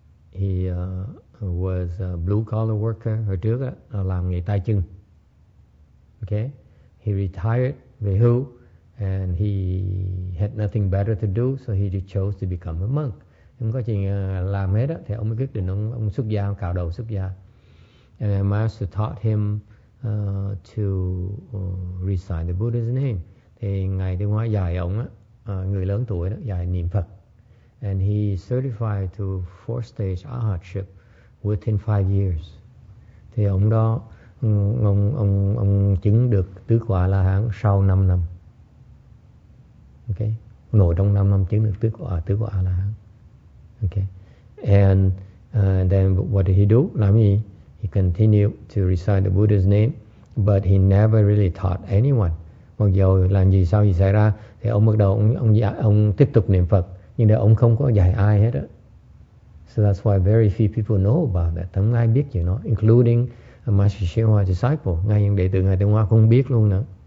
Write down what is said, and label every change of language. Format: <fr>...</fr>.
<en>He was a blue collar worker.</en> <vi>Hồi trước á, làm nghề tay chân.</vi> <en>Okay, he retired</en> <vi>về hưu,</vi> <en>and he had nothing better to do, so he just chose to become a monk.</en> <vi>Không có chuyện làm hết á, thì ông mới quyết định ông xuất gia, cạo đầu xuất gia.</vi> <en>And my master taught him to recite the Buddha's name.</en> <vi>Thì ngài tiến hóa dạy ông á, người lớn tuổi đó dạy niệm Phật.</vi> <en>And he certified to four stage arhatship within 5 years.</en> <vi>Thì ông đó ông chứng được tứ quả la hán sau 5 năm. Okay, nội trong 5 năm chứng được tứ quả la hán.</vi> <en>Okay, and then what did he do?</en> <vi>Làm gì?</vi> <en>He continued to recite the Buddha's name, but he never really taught anyone.</en> <vi>Mặc dù làm gì sau gì xảy ra, thì ông bắt đầu ông tiếp tục niệm Phật. Nhưng ông không có dạy ai hết á.</vi> <en>So that's why very few people know about that.</en> <vi>Không ai biết chuyện đó,</vi> <en>including Master Shihua disciple.</en> <vi>Ngay những đệ tử ngài Tiến Hóa không biết luôn nữa.</vi>